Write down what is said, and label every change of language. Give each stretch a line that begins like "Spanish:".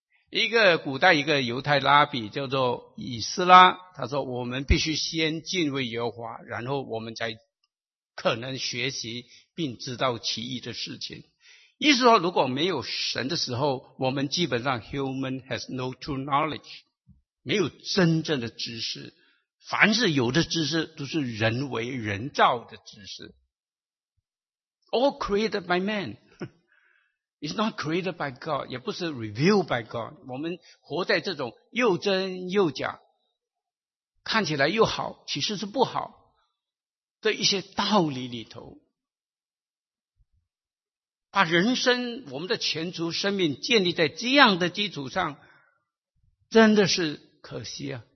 Chinese: 一个古代一个犹太拉比叫做以斯拉，他说我们必须先敬畏耶和华，然后我们才可能学习并知道其意的事情。意思说如果没有神的时候，我们基本上
English: human has no true knowledge，
Chinese: 没有真正的知识，凡是有的知识都是人为人造的知识。
English: All created by man is not created by God，
Chinese: 也不是
English: revealed by God。
Chinese: 我们活在这种又真又假，看起来又好其实是不好的一些道理里头，把人生我们的前途生命建立在这样的基础上，真的是可惜啊。